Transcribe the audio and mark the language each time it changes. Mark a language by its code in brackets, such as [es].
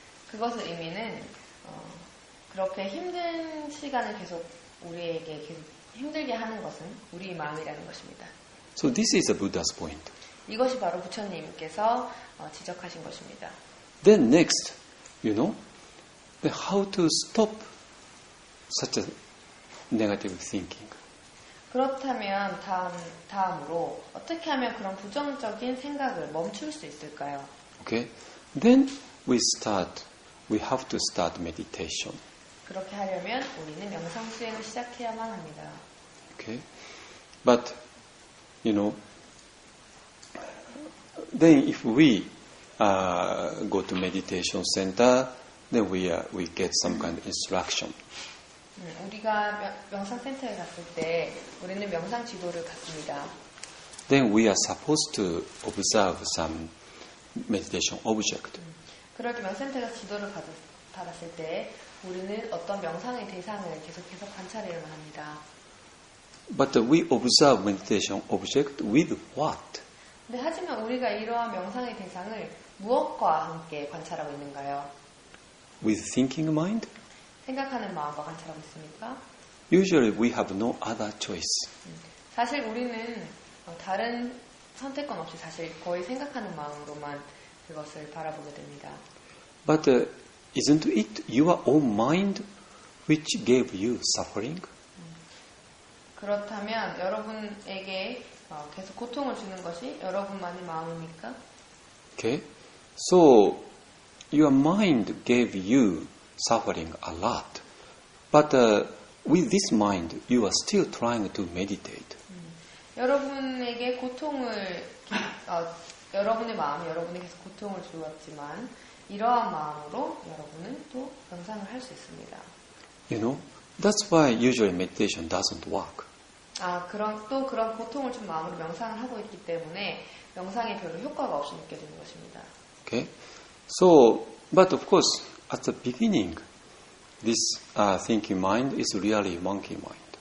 [ko] 그것의 의미는 그렇게 힘든 시간을 계속 우리에게 힘들게 하는 것은 우리 마음이라는 것입니다. [en] So this is a Buddha's point. [ko] 이것이 바로 부처님께서 지적하신 것입니다. [en] Then next, you know, how to stop such a negative thinking. [ko] 그렇다면 다음으로 어떻게 하면 그런 부정적인 생각을 멈출 수 있을까요? [en] Okay. Then we have to start meditation. [ko] 그렇게 하려면 우리는 명상 수행을 시작해야만 합니다. [en] Okay. But you know, then if we go to meditation center, then we get some kind of instruction. [ko] 우리가 명상 센터에 갔을 때 우리는 명상 지도를 받습니다. [en] Then we are supposed to observe some meditation object. [ko] 그렇게 명상 센터에서 지도를 받았을 때 우리는 어떤 명상의 대상을 계속해서 관찰해야만 합니다. [en] But we observe meditation object with what? [ko] 근데 하지만 우리가 이러한 명상의 대상을 무엇과 함께 관찰하고 있는가요? [en] With thinking mind? [ko] 생각하는 마음과 관찰하고 있습니까? [en] Usually we have no other choice. [ko] 사실 우리는 다른 선택권 없이 사실 거의 생각하는 마음으로만 그것을 바라보게 됩니다. [en] But isn't it your own mind which gave you suffering? [ko] 그렇다면 여러분에게 계속 고통을 주는 것이 여러분만의 마음입니까? [en] Okay. So your mind gave you suffering a lot. But with this mind, you are still trying to meditate. [ko] 여러분에게 고통을 여러분의 마음이 여러분에게 고통을 주었지만 이러한 마음으로 여러분은 또 명상을 할 수 있습니다. [en] You know, that's why usually meditation doesn't work. [ko] 그런 고통을 준 마음으로 명상을 하고 있기 때문에 명상에 별로 효과가 없이 느껴지는 것입니다. [en] Okay. So, but of course, at the beginning, this thinking mind is really monkey mind.